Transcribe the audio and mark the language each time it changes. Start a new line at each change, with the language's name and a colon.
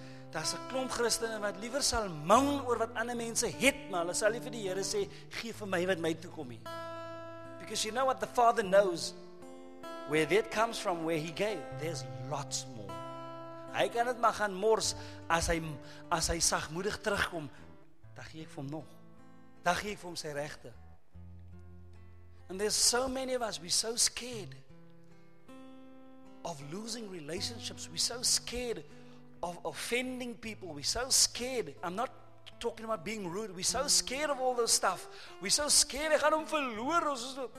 Afrikaans: Daar's 'n klomp Christene wat liewer sal moun oor wat ander mense het, maar hulle sal nie vir die Here sê, gee vir my wat my toe kom nie.
English: Because you know what the Father knows where that comes from, where he gave, there's lots more.
Afrikaans: Hy kan dit maar gaan mors as hy sagmoedig terugkom, dan gee ek vir hom nog. Dan gee ek vir hom sy regte.
English: And there's so many of us, we're so scared of losing relationships. We're so scared of offending people. We're so scared. I'm not talking about being rude. We're so scared of all those stuff. We're so scared.
Afrikaans: Ek gaan hom verloor.